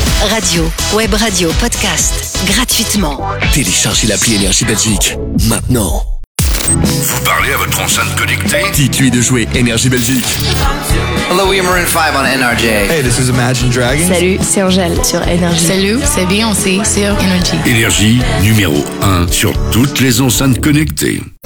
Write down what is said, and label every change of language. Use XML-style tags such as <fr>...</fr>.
<fr>Radio, web radio, podcast, gratuitement. Téléchargez l'appli Énergie Belgique maintenant. Vous parlez à votre enceinte connectée? Dites-lui de jouer Énergie Belgique.</fr> <en>Hello, we are Maroon 5 on NRJ. Hey, this is Imagine Dragons.</en> <fr>Salut, c'est Angèle sur NRJ. Salut, c'est Beyoncé sur NRJ. Énergie numéro 1 sur toutes les enceintes connectées.</fr>